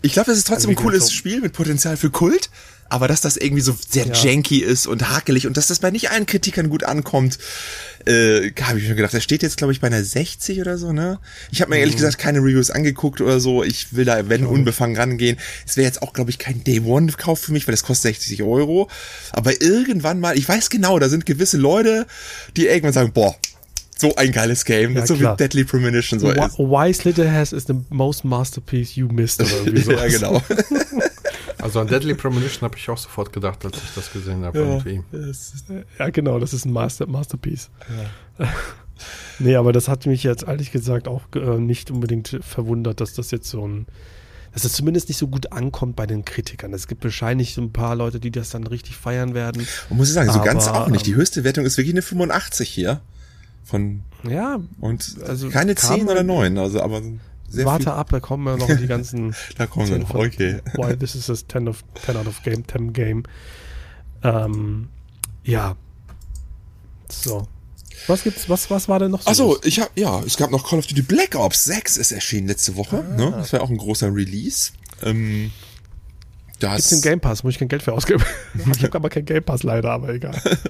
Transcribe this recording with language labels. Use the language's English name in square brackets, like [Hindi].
[German] Ich glaube, es ist trotzdem ein cooles Spiel mit Potenzial für Kult. Aber dass das irgendwie so sehr janky ist und hakelig und dass das bei nicht allen Kritikern gut ankommt, habe ich mir gedacht. Das steht jetzt, glaube ich, bei einer 60 oder so, ne? Ich habe mir ehrlich gesagt keine Reviews angeguckt oder so. Ich will da, wenn unbefangen rangehen. Es wäre jetzt auch, glaube ich, kein Day-One-Kauf für mich, weil das kostet 60 Euro. Aber irgendwann mal, ich weiß genau, da sind gewisse Leute, die irgendwann sagen, boah, so ein geiles Game, ja, so klar. Wie Deadly Premonition so ist. [English] Why Slitherhead is the most masterpiece you missed. [German] Oder irgendwie sowas. Ja, genau. Also an Deadly Premonition habe ich auch sofort gedacht, als ich das gesehen habe. Ja, genau, das ist ein Masterpiece. Ja. Nee, aber das hat mich jetzt ehrlich gesagt auch nicht unbedingt verwundert, dass das jetzt so ein, dass das zumindest nicht so gut ankommt bei den Kritikern. Es gibt wahrscheinlich so ein paar Leute, die das dann richtig feiern werden. Und muss ich sagen, so aber, ganz auch nicht. Die höchste Wertung ist wirklich eine 85 hier. Von ja, und also keine 10 oder 9, also aber sehr warte viel. Ab, da kommen wir noch in die ganzen. Da kommen wir noch, okay. [English] Why this is a 10 out of game, 10 game. [German] Ja. So. Was gibt's, was war denn noch so? Achso, ich hab, ja, es gab noch Call of Duty Black Ops 6 ist erschienen letzte Woche, ne? Das war auch ein großer Release. Gibt's den Game Pass, muss ich kein Geld für ausgeben. Ich habe aber keinen Game Pass leider, aber egal.